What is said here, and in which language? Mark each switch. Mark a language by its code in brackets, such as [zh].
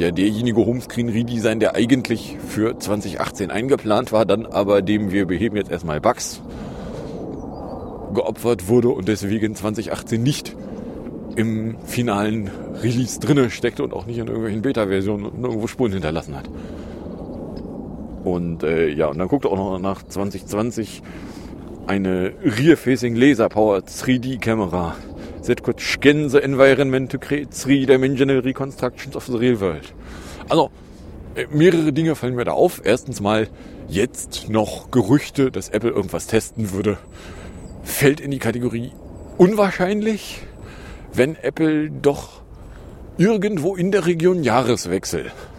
[de] Ja, derjenige Homescreen-Redesign, der eigentlich für 2018 eingeplant war, dann aber dem wir beheben jetzt erstmal Bugs geopfert wurde und deswegen 2018 nicht im finalen Release drinne steckte und auch nicht in irgendwelchen Beta-Versionen und irgendwo Spuren hinterlassen hat. Und ja, und dann guckt er auch noch nach 2020 eine Rear-Facing Laser-Powered 3D-Kamera. [en] That could scan the environment to create 3-dimensional reconstructions of the real world. [de] Also, mehrere Dinge fallen mir da auf. Erstens mal, jetzt noch Gerüchte, dass Apple irgendwas testen würde, fällt in die Kategorie unwahrscheinlich, wenn Apple doch irgendwo in der Region Jahreswechsel